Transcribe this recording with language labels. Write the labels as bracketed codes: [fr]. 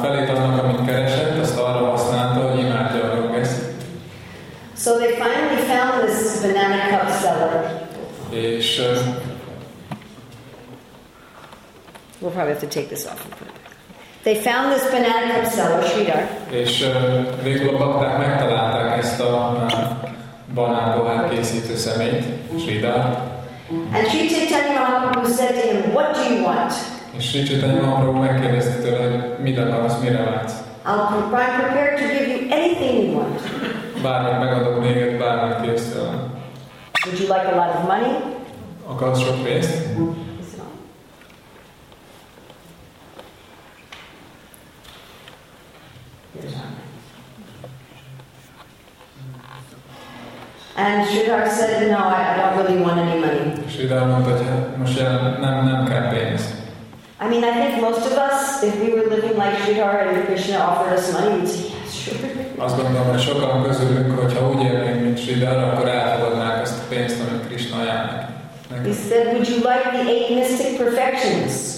[hu] Felét annak, amit keresett, azt arra használta, hogy imádja a Gangest. [en] So they finally found this banana cup seller. [hu] És [en] we'll probably have to take this off and put it back. They found this banana cup seller, Sridhar. [hu] És végül a bakták megtalálták ezt a banánpohár készítő szemét, Sridhar. [en] And Sri Chaitanya Mahaprabhu said to him, what do you want? [hu] És Sri Chaitanya Mahaprabhu megkérdezte tőle, hogy mit akarsz, mire vágysz. [en] I'm prepared to give you anything you want. [hu] Bármit megadok néked, bármit kérsz tőlem. [en] Would you like a lot of money? [hu] Akarsz sok pénzt? [en] And Sridhar said, "No, I don't really want any money." [hu] Sridhar mondta, hogy most nem kell pénz. [en] I mean, I think most of us, if we were living like Sridhar and Krishna offered us money, we'd say, "Yes, sure." [hu] Azt gondolom, hogy sokan közülünk, hogyha úgy élnénk, mint Sridhar, akkor elfogadnánk ezt a pénzt, amit Krishna ajánl nekünk. [en] He said, "Would you like the eight mystic perfections?"